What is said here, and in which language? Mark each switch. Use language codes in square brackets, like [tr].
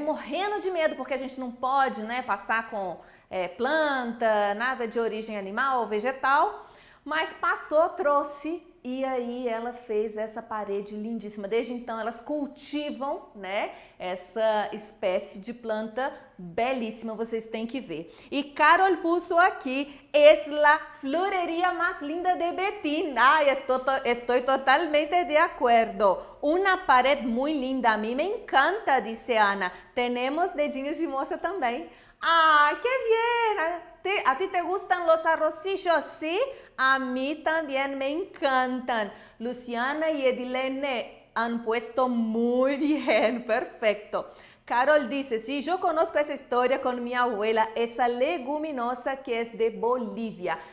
[pt] Morrendo de medo, porque a gente não pode, né, passar com planta, nada de origem animal ou vegetal. Mas passou, trouxe, e aí ela fez essa parede lindíssima. Desde então elas cultivam, né, essa espécie de planta belíssima, vocês têm que ver. [es] E Carol puso aqui, es la floreria más linda de Betín. Ay, estoy totalmente de acuerdo. Una pared muy linda, a mí me encanta, [pt] disse [es] Ana. Tenemos dedinhos de moça [pt] também. [es] Ay, qué bien. A ti te gustan los arrocillos, sí? A mí también me encantan. Luciana y Edilene han puesto muy bien, perfecto. Carol dice, sí, yo conozco esa historia con mi abuela, esa leguminosa que es de Bolivia.